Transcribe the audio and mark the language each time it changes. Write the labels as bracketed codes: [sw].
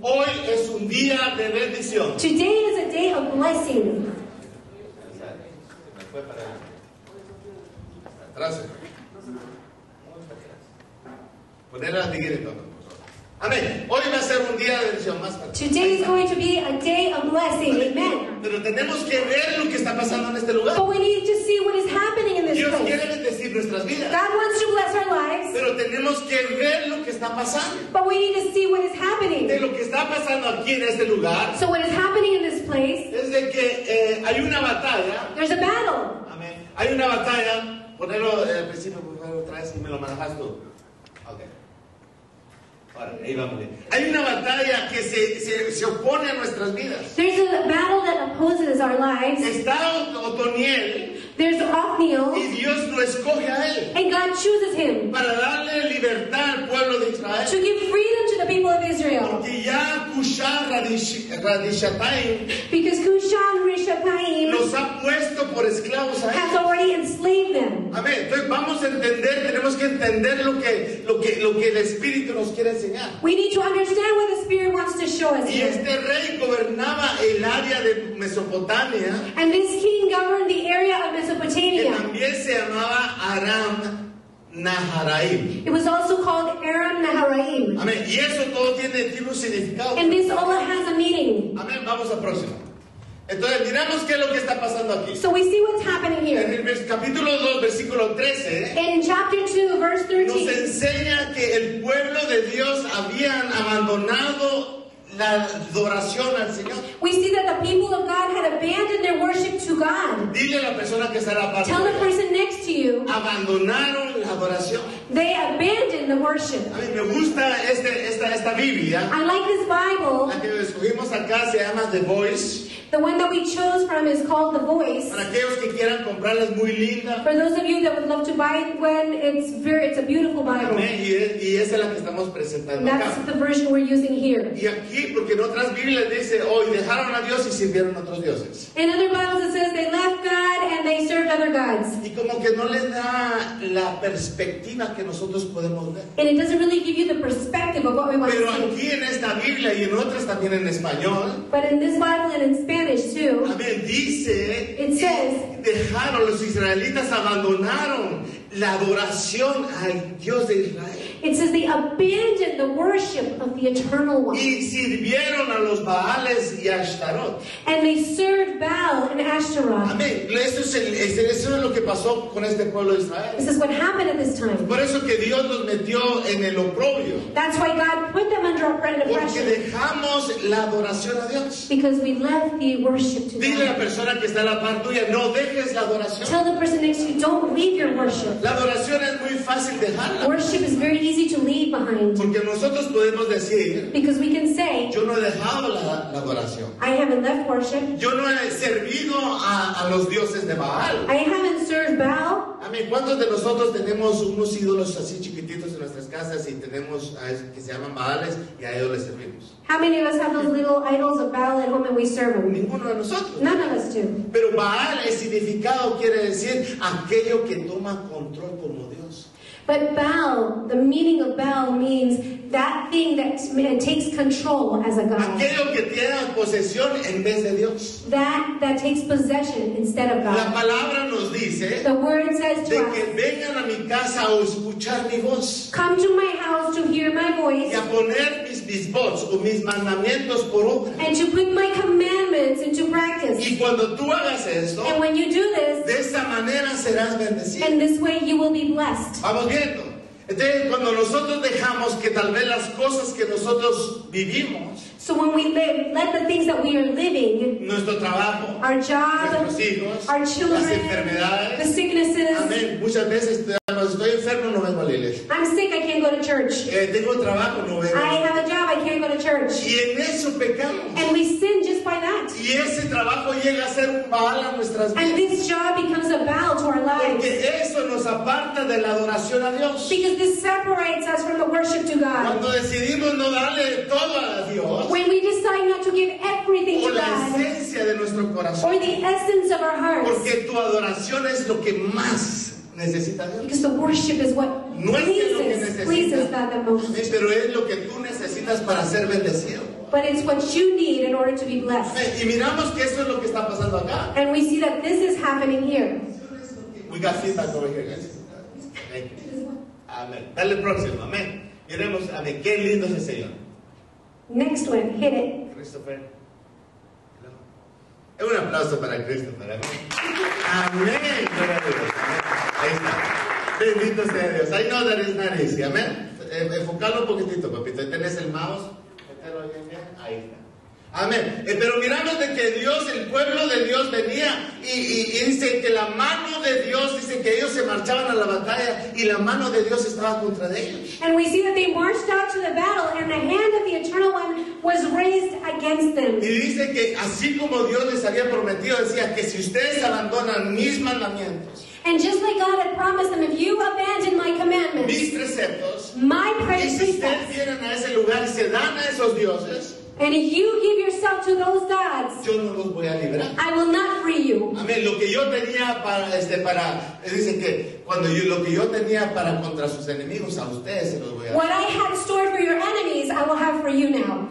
[es] Hoy es un día de bendición. [en] Today is a day of blessing. [es] Atrás. Ponerla a seguir el toque. Amén. Hoy va a ser un día de bendición más. [en] Today is going to be a day of blessing. Amen. [es] Pero tenemos que ver lo que está pasando en este lugar. [en] But we need to see what is happening in this [es] Dios [en] place. [es] Dios quiere bendecir nuestras vidas. [en] God wants to bless our lives. [es] Pero tenemos que ver lo que está pasando. [en] But we need to see what is happening. [es] De lo que está pasando aquí en este lugar. [en] So what is happening in this place? [es] Es de que hay una batalla. [en] There's a battle. [es] Amén. Hay una batalla. Ponerlo al principio, por favor, otra vez y me lo manejas tú. Okay. Ahora, ahí vamos bien. Hay una batalla que se opone a nuestras vidas. [en] There's a battle that opposes our lives. [es] Está Otoniel. [en] There's Othniel. [es] Y Dios lo escoge a él. [en] And God chooses him. [es] Para darle libertad al pueblo de Israel. [en] To give freedom to the people of Israel. [es] Porque ya Cushan-Rishathaim. [en] Because Cushan-Rishathaim. [es] Los ha puesto por esclavos a él. [en] Has already enslaved them. [es] Amén. Entonces vamos a entender, tenemos que entender lo que el Espíritu nos quiere. [en] We need to understand what the Spirit wants to show us. [es] Y este rey gobernaba el área de Mesopotamia. [en] And this king governed the area of Mesopotamia. [es] Que también se llamaba Aram Naharaim. [en] It was also called Aram Naharaim. [es] Amén. Y eso todo tiene un significado. [en] And this all has a meaning. [es] Amén. Vamos al próximo. Entonces miramos qué es lo que está pasando aquí. [en] So we see what's happening here. [es] En el capítulo 2, versículo 13. [en] In chapter 2, verse 13. [es] Nos enseña que el pueblo de Dios habían abandonado la adoración al Señor. [en] We see that the people of God had abandoned their worship to God. [es] Dile a la persona que está a la parte. [en] Tell the person next to you. [es] Abandonaron la adoración. [en] They abandoned the worship. [es] A mí me gusta esta Biblia. [en] I like this Bible. [es] La que escogimos acá se llama The Voice. [en] The one that we chose from is called The Voice. [es] Para aquellos que quieran comprarlas muy linda. [en] For those of you that would love to buy it when it's very, it's a beautiful Bible. Amen. [es] Y esa es la que estamos presentando acá. [en] That's the version we're using here. [es] Y aquí, porque en otras Biblias dice, oh, y dejaron a Dios y sirvieron a otros dioses. [en] In other Bibles it says they left God and they served other gods. [es] Y como que no les da la perspectiva que nosotros podemos ver. [en] And it doesn't really give you the perspective of what we want [es] Pero [en] to see. [es] Pero aquí en esta Biblia y en otras también en español. [en] But in this Bible and in Spanish too. [es] Amen. Dice. [en] It says. [es] Dejaron, los israelitas abandonaron la adoración al Dios de Israel. [en] It says they abandoned the worship of the Eternal One. [es] Y sirvieron a los Baales y Ashtaroth. [en] And they served Baal and Ashtaroth. [es] Amén. Eso es lo que pasó con este pueblo de Israel. [en] This is what happened at this time. [es] Por eso que Dios los metió en el oprobio. [en] That's why God put them under oppression. [es] Porque dejamos la adoración a Dios. [en] Because we left the worship to [es] Dile [en] God. [es] Dile a la persona que está a la par tuya, no dejes la adoración. [en] Tell the person next to you, don't leave your worship. [es] La adoración es muy fácil dejarla. [en] Worship is very easy to leave behind. [es] Porque nosotros podemos decir, [en] because we can say, [es] yo no he dejado la adoración. [en] I haven't left worship. [es] Yo no he servido a los dioses de Baal. [en] I haven't served Baal. [es] A mí, ¿cuántos de nosotros tenemos unos ídolos así chiquititos en nuestras casas y tenemos que se llaman Baales y a ellos les servimos? [en] How many of us have those little idols of Baal at home and we serve them? [es] Ninguno de nosotros. [en] None of us do. [es] Pero Baal, el significado quiere decir aquello que toma control como Dios. [en] But Baal, the meaning of Baal means that thing that takes control as a god. [es] Aquello que tiene posesión en vez de Dios. [en] That takes possession instead of God. [es] La palabra nos dice. [en] The word says to [es] de que vengan a mi casa a escuchar mi voz. [en] Come to my house to hear my voice. [es] Y a poner mis votos o mis mandamientos por obra. [en] And to put my commandments into practice. [es] Y cuando tú hagas esto. [en] And when you do this. [es] De esta manera serás bendecido. [en] And this way you will be blessed. [es] Vamos viendo. Entonces, cuando nosotros dejamos que tal vez las cosas que nosotros vivimos, [en] so when we let the things that we are living, [es] nuestro trabajo, [en] our job, [es] nuestros hijos, [en] our children, [es] las enfermedades, [en] the sicknesses, [es] amén, muchas veces estoy enfermo, no vengo a la iglesia. [en] I'm sick, I can't go to church. [es] Tengo trabajo, no vengo. [en] I have a job, I can't go to church. [es] Y en eso pecamos. [en] And we sin just by that. [es] Y ese trabajo llega a ser un baal a nuestras vidas. [en] And this job becomes a baal to our lives. [es] Porque eso nos aparta de la adoración a Dios. [en] Because this separates us from the worship to God. [es] Cuando decidimos no darle todo a Dios. [en] When we decide not to give everything to God. [es] O la esencia de nuestro corazón. [en] Or the essence of our hearts. [es] Porque tu adoración es lo que más necesita Dios. [en] Because the worship is what [es] no [en] pleases God the most. [es] Pero es lo que tú necesitas para ser bendecido. [en] But it's what you need in order to be blessed. [es] Y miramos que eso es lo que está pasando acá. [en] And we see that this is happening here. We got feedback over here, guys. Thank you. [es] Amen. Dale próximo. Amen. Miremos, amen. Qué lindo es el Señor. [en] Next one. Hit it. Christopher. [es] Es un aplauso para Cristo, para mí. Amén. Gloria a Dios. Ahí está. Bendito sea Dios. [en] I know that is not easy. [es] Amén. Enfocalo un poquitito, papito. Ahí tenés el mouse. Ahí está. Amén. Pero miramos de que Dios, el pueblo de Dios venía y dice que la mano de Dios, dice que ellos se marchaban a la batalla y la mano de Dios estaba contra ellos. [en] And we see that they marched out to the battle and the hand of the Eternal One was raised against them. [es] Y dice que así como Dios les había prometido, decía que si ustedes abandonan mis mandamientos. [en] And just like God had promised them, if you abandon my commandments. [es] Mis preceptos. [en] My precepts. [es] Y si ustedes vienen a ese lugar y se dan a esos dioses. [en] And if you give yourself to those gods, [es] yo no los voy a liberar. [en] I will not free you. [es] Amén. Lo que yo tenía para dicen que cuando yo lo que yo tenía para contra sus enemigos a ustedes se los voy a. [en] What I had stored for your enemies, I will have for you now.